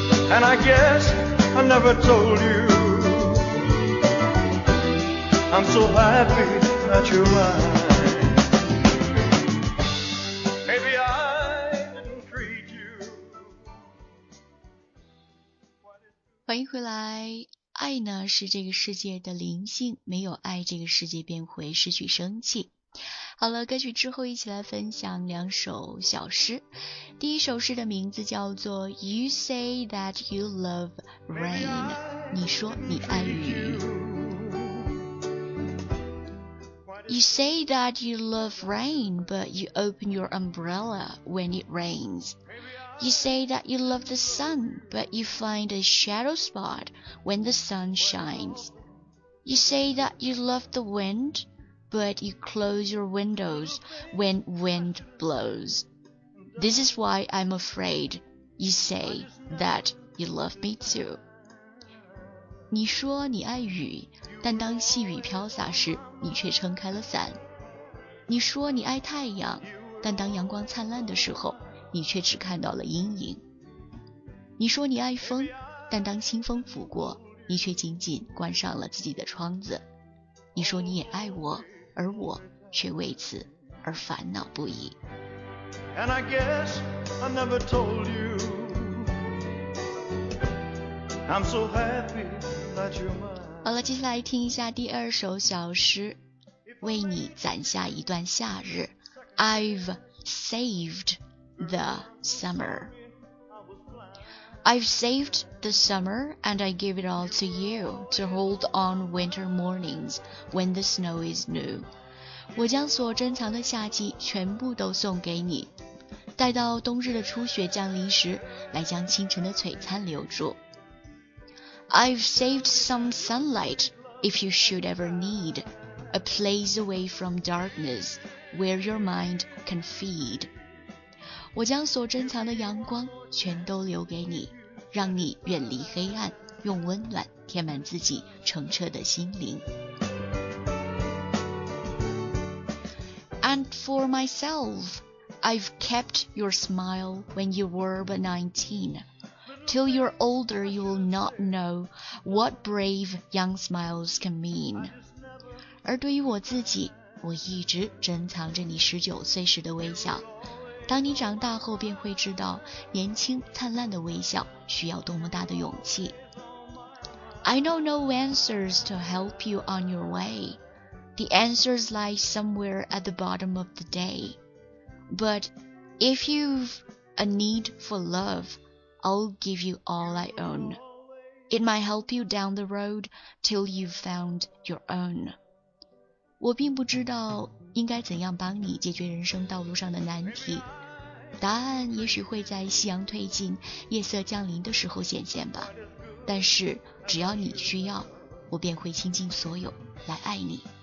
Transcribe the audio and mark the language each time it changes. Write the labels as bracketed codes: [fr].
[en] And I guess I never told you I'm so happy that you're mine Maybe I didn't treat you [zh] 欢迎回来。爱呢，是这个世界的灵性，没有爱，这个世界便会失去生气。好了，歌曲之后一起来分享两首小诗。第一首诗的名字叫做 [en] You say that you love rain, [zh] 你说你爱雨。 [en] You say that you love rain, but you open your umbrella when it rains. You say that you love the sun, but you find a shadow spot when the sun shines. You say that you love the wind, but you close your windows when wind blows. This is why I'm afraid you say that you love me too. [zh] 你说你爱雨，但当细雨飘洒时，你却撑开了伞。你说你爱太阳，但当阳光灿烂的时候，你却只看到了阴影。你说你爱风，但当清风拂过，你却紧紧关上了自己的窗子。你说你也爱我，而我却为此而烦恼不已。 [en] And I guess I never told you, I'm so happy that you're mine. [zh] 好了，接下来听一下第二首小诗，为你攒下一段夏日。 [en] I've saved the summer. I've saved the summer and I give it all to you to hold on winter mornings when the snow is new. [zh] 我将所珍藏的夏季全部都送给你，待到冬日的初雪降临时，来将清晨的璀璨留住。 [en] I've saved some sunlight if you should ever need a place away from darkness where your mind can feed. [zh] 我将所珍藏的阳光全都留给你，让你远离黑暗，用温暖填满自己澄澈的心灵。 [en] And for myself, I've kept your smile when you were but 19. Till you're older, you'll not know what brave young smiles can mean. [zh] 而对于我自己，我一直珍藏着你19岁时的微笑。当你长大后，便会知道年轻灿烂的微笑需要多么大的勇气。 [en] I know no answers to help you on your way. The answers lie somewhere at the bottom of the day. But if you've a need for love, I'll give you all I own. It might help you down the road till you've found your own. [zh] 我并不知道应该怎样帮你解决人生道路上的难题，答案也许会在夕阳褪尽、夜色降临的时候显现吧。但是只要你需要，我便会倾尽所有来爱你。